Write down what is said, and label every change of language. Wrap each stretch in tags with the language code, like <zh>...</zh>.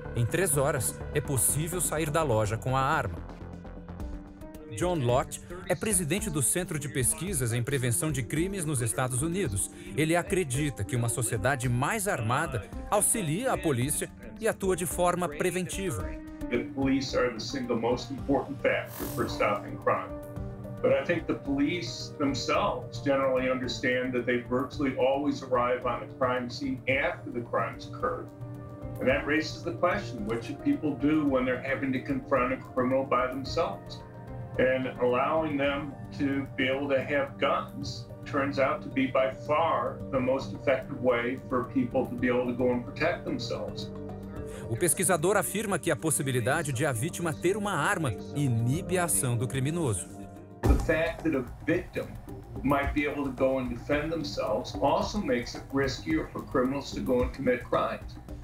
<pt>Em 3 horas, é possível sair da loja com a arma. John Lott é presidente do Centro de Pesquisas em Prevenção de Crimes nos Estados Unidos. Ele acredita que uma sociedade mais armada auxilia a polícia e atua de forma preventiva.</pt> <en>The police are the single most important factor for stopping crime. But I think the police themselves generally understand that they virtually always arrive on a crime scene after the crime's occurred. And that raises the question, what should people do when they're having to confront a criminal by themselves? And allowing them to be able to have guns turns out to be by far the most effective way for people to be able to go and protect themselves.</en> <pt>O pesquisador afirma que a possibilidade de a vítima ter uma arma inibe a ação do criminoso.</pt> <en>The fact that a victim might be able to go and defend themselves also makes it riskier for criminals to go and commit crimes.</en>